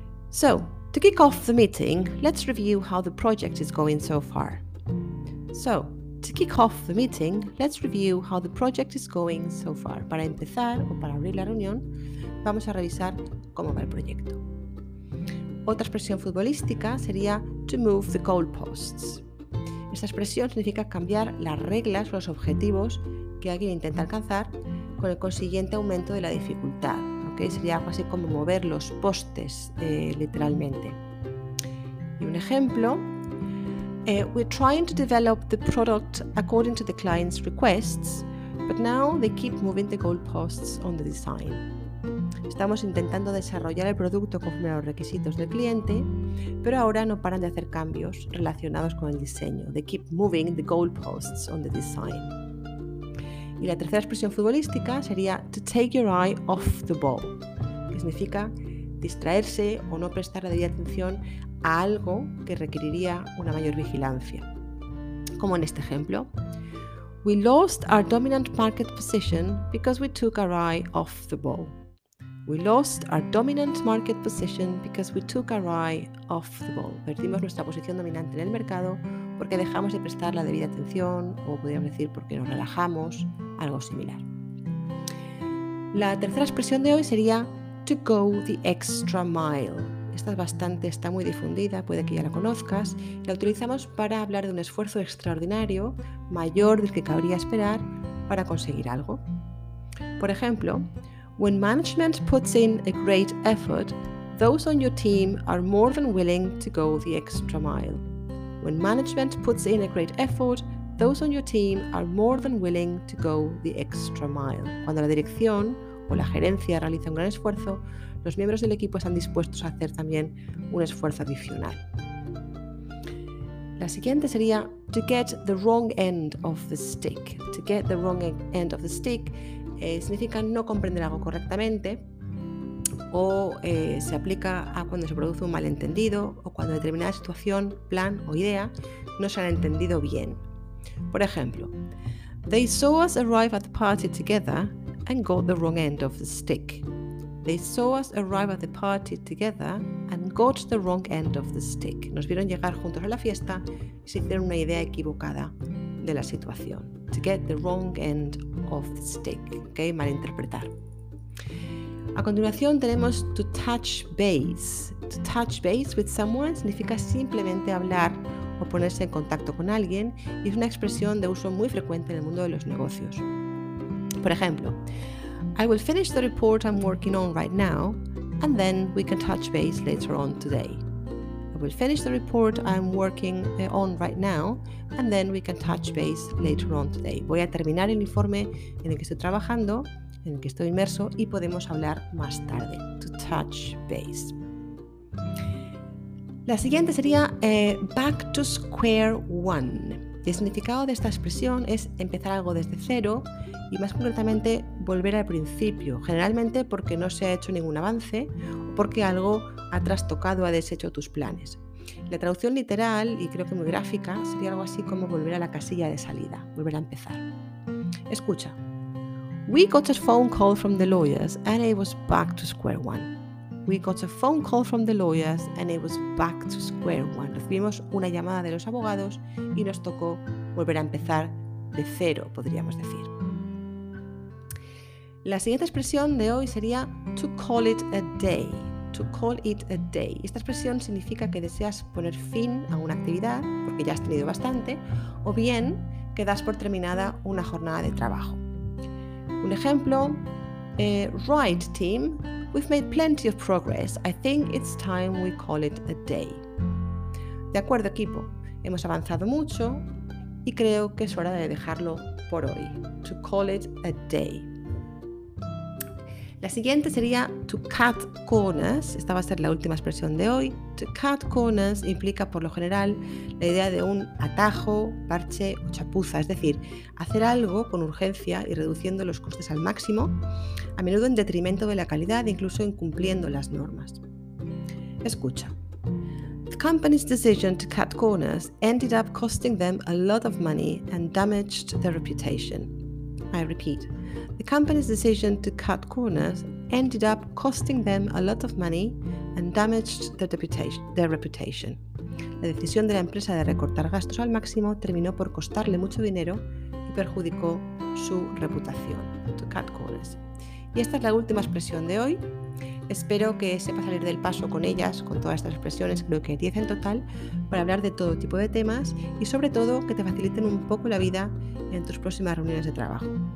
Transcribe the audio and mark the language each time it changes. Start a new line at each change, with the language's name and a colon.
English: So, to kick off the meeting, let's review how the project is going so far. So, to kick off the meeting, let's review how the project is going so far.
Spanish: Para empezar o para abrir la reunión, vamos a revisar cómo va el proyecto. Otra expresión futbolística sería
English: to move the goalposts.
Spanish: Esta expresión significa cambiar las reglas o los objetivos que alguien intenta alcanzar con el consiguiente aumento de la dificultad. ¿Okay? Sería algo así como mover los postes, literalmente. Y un ejemplo.
English: We're trying to develop the product according to the client's requests, but now they keep moving the goalposts on the design.
Spanish: Estamos intentando desarrollar el producto conforme a los requisitos del cliente, pero ahora no paran de hacer cambios relacionados con el diseño.
English: They keep moving the goalposts on the design.
Spanish: Y la tercera expresión futbolística sería
English: to take your eye off the ball,
Spanish: que significa distraerse o no prestar la debida atención a algo que requeriría una mayor vigilancia. Como en este ejemplo,
English: we lost our dominant market position because we took our eye off the ball. We lost our dominant market position because we took our eye off the ball.
Spanish: Perdimos nuestra posición dominante en el mercado porque dejamos de prestar la debida atención, o podríamos decir porque nos relajamos, algo similar. La tercera expresión de hoy sería
English: to go the extra mile.
Spanish: Esta es bastante, está muy difundida, puede que ya la conozcas. La utilizamos para hablar de un esfuerzo extraordinario, mayor del que cabría esperar, para conseguir algo. Por ejemplo,
English: when management puts in a great effort, those on your team are more than willing to go the extra mile. When management puts in a great effort, those on your team are more than willing to go the extra mile.
Spanish: Cuando la dirección o la gerencia realiza un gran esfuerzo, los miembros del equipo están dispuestos a hacer también un esfuerzo adicional. La siguiente sería
English: to get the wrong end of the stick. To get the wrong end of the stick
Spanish: significa no comprender algo correctamente, o se aplica a cuando se produce un malentendido o cuando determinada situación, plan o idea no se han entendido bien. Por ejemplo,
English: they saw us arrive at the party together and got the wrong end of the stick. They saw us arrive at the party together and got the wrong end of the stick.
Spanish: Nos vieron llegar juntos a la fiesta y se hicieron una idea equivocada de la situación.
English: To get the wrong end of the stick.
Spanish: Okay, malinterpretar. A continuación tenemos
English: to touch base. To touch base with someone
Spanish: significa simplemente hablar o ponerse en contacto con alguien, y es una expresión de uso muy frecuente en el mundo de los negocios. Por ejemplo,
English: I will finish the report I'm working on right now, and then we can touch base later on today. I will finish the report I'm working on right now, and then we can touch base later on today.
Spanish: Voy a terminar el informe en el que estoy trabajando, en el que estoy inmerso, y podemos hablar más tarde.
English: To touch base.
Spanish: La siguiente sería
English: back to square one.
Spanish: Y el significado de esta expresión es empezar algo desde cero y más concretamente volver al principio, generalmente porque no se ha hecho ningún avance o porque algo ha trastocado o ha deshecho tus planes. La traducción literal y creo que muy gráfica sería algo así como volver a la casilla de salida, volver a empezar. Escucha.
English: We got a phone call from the lawyers and it was back to square one. We got a phone call from the lawyers and it was back to square one.
Spanish: Recibimos una llamada de los abogados y nos tocó volver a empezar de cero, podríamos decir. La siguiente expresión de hoy sería
English: to call it a day. To call it a day.
Spanish: Esta expresión significa que deseas poner fin a una actividad porque ya has tenido bastante, o bien que das por terminada una jornada de trabajo. Un ejemplo,
English: right team, we've made plenty of progress. I think it's time we call it a day.
Spanish: De acuerdo, equipo. Hemos avanzado mucho y creo que es hora de dejarlo por hoy.
English: To call it a day.
Spanish: La siguiente sería
English: to cut corners.
Spanish: Esta va a ser la última expresión de hoy.
English: To cut corners
Spanish: implica, por lo general, la idea de un atajo, parche o chapuza. Es decir, hacer algo con urgencia y reduciendo los costes al máximo, a menudo en detrimento de la calidad e incluso incumpliendo las normas. Escucha.
English: The company's decision to cut corners ended up costing them a lot of money and damaged their reputation. I repeat. The company's decision to cut corners ended up costing them a lot of money and damaged their reputation.
Spanish: La decisión de la empresa de recortar gastos al máximo terminó por costarle mucho dinero y perjudicó su reputación.
English: To cut corners.
Spanish: Y esta es la última expresión de hoy. Espero que sepas salir del paso con ellas, con todas estas expresiones, creo que 10 en total, para hablar de todo tipo de temas y sobre todo que te faciliten un poco la vida en tus próximas reuniones de trabajo.